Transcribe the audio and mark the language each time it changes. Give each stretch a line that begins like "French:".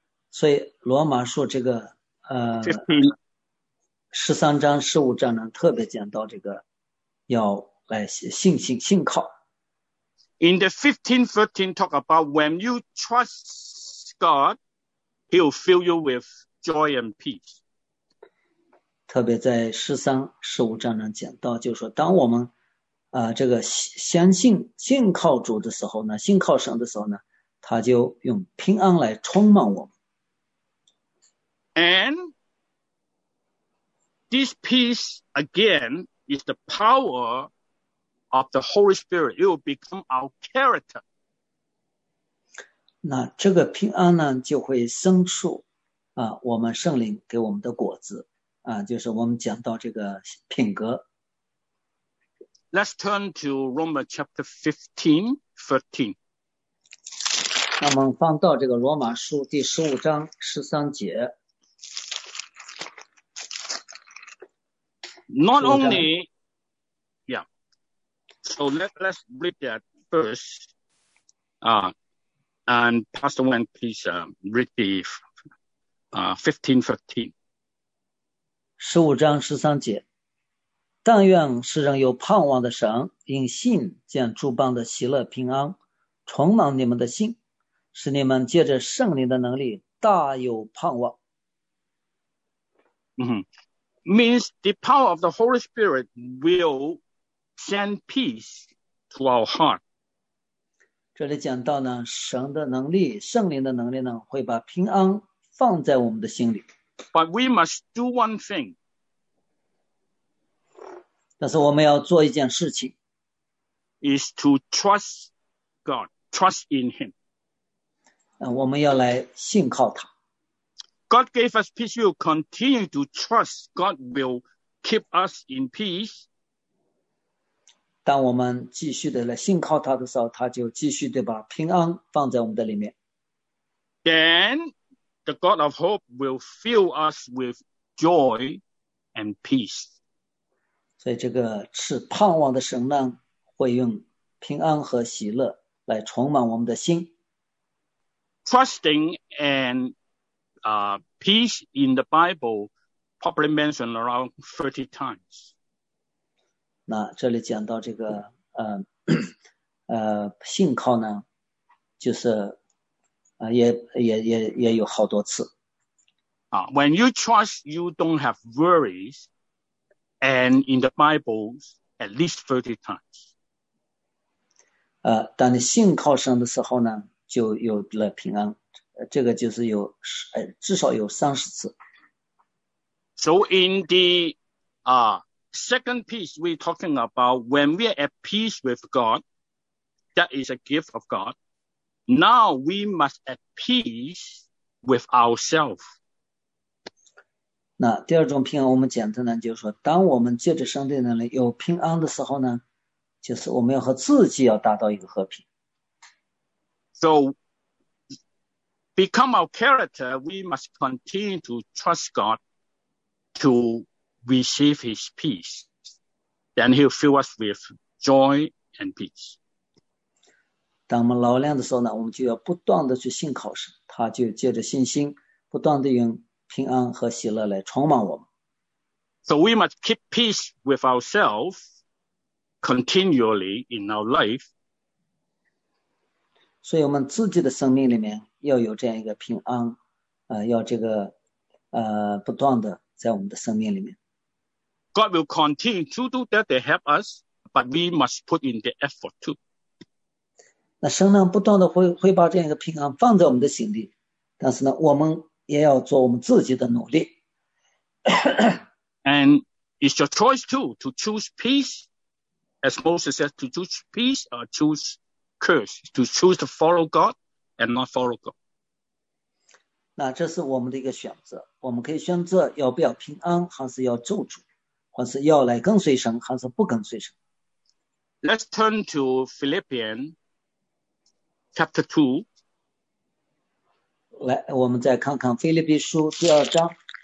Chinese: 所以罗马书这个十三章十五章呢特别讲到这个要来信靠。
English: In the 15:13 talk about when you trust God, he'll fill you with joy and peace.
Chinese: 特别在十三、十五章上讲到，就是说，当我们这个相信、信靠主的时候呢，信靠神的时候呢，他就用平安来充满我们。
English: And this peace again is the power of the Holy Spirit. It will become our character.
Chinese: 那这个平安呢，就会生出我们圣灵给我们的果子就是我们讲到这个品格。
English: Let's turn to Romans chapter 15, 13.
Chinese: 那么放到这个罗马书第十五章十三节。
English: Not only, yeah. So let's read that first. And Pastor Wen, please read the 15:13.
Chinese: 十五章十三节。但愿世人有盼望的神，因信见诸邦的喜乐平安，充满你们的心，使你们借着圣灵的能力大有盼望。
English: Means the power of the Holy Spirit will send peace to our heart.
Chinese: 这里讲到呢，神的能力，圣灵的能力呢，会把平安放在我们的心里。
English: But we must do one thing.
Chinese: 但是我们要做一件事情。
English: Is to trust God, trust in Him.
Chinese: 我们要来信靠他。
English: God gave us peace. We will continue to trust God will keep us in peace.
Chinese: 当我们继续的来信靠他的时候，他就继续的把平安放在我们的里面。
English: Then the God of hope will fill us with joy and peace.
Chinese: 所以这个是盼望的神呢，会用平安和喜乐来充满我们的心。
English: Trusting and peace in the Bible probably mentioned around 30 times.
Chinese: 那这里讲到这个信靠呢，就是也有好多次。
English: When you trust, you don't have worries, and in the Bible at least 30 times.
Chinese: 当你信靠神的时候呢，就有了平安。这个就是有至少有三十次。
English: So in the second piece we're talking about when we are at peace with God, that is a gift of God. Now we must at peace with ourselves.
Chinese: 那第二种平安我们讲的呢，就是说当我们借着上帝能力有平安的时候呢，就是我们要和自己要达到一个和平。
English: So,become our character, we must continue to trust God to receive His peace. Then He'll fill us with joy and peace.
Chinese: 当我们劳练的时候呢，我们就要不断的去信靠神，他就借着信心，不断的用平安和喜乐来充满我们。
English: So we must keep peace with ourselves continually in our life.
Chinese: 所以我们自己的生命里面要有这样一个平安，要这个不断的在我们的生命里面。
English: God will continue to do that to help us, but we must put in the effort too.
Chinese: 那神呢，不断的会把这样一个平安放在我们的心里，但是呢，我们也要做我们自己的努力。
English: And it's your choice too to choose peace, as Moses said, to choose peace or choose curse, to choose to follow God. And not follow God.
Chinese: 那这是我们的一个选择，我们可以选择要不要平安，还是要咒诅，还是要来跟随神，还是不跟随神。
English: Let's turn to Philippians chapter 2.
Chinese: 来，我们再看看腓立比书第二章。